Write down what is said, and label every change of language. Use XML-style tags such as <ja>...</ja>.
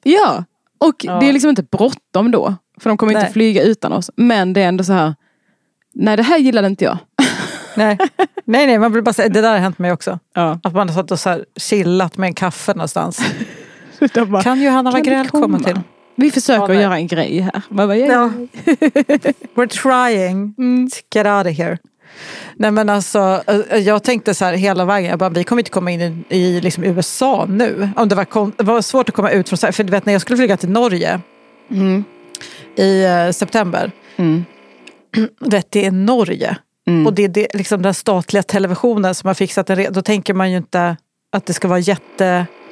<sv>Ja, och det är liksom inte bråttom då. För de kommer inte flyga utan oss. Men det är ändå så här, nej, det här gillade inte jag. Nej, man blir bara säga, det där har hänt mig också. Ja. Att man har satt och så här chillat med en kaffe någonstans. Bara, kan Johanna Wagrell komma till? Vi försöker att göra en grej här.</sv> <en>We're trying to get out of here.</en> <sv>Nej, men alltså, jag tänkte så här hela vägen, jag bara, vi kommer inte komma in i liksom USA nu. Om det var svårt att komma ut från så här, för du vet, när jag skulle flyga till Norge i september. Mm. Vet, det är Norge. Mm. Och det är liksom den statliga televisionen som har fixat det. Då tänker man ju inte att det ska vara jätte...</sv>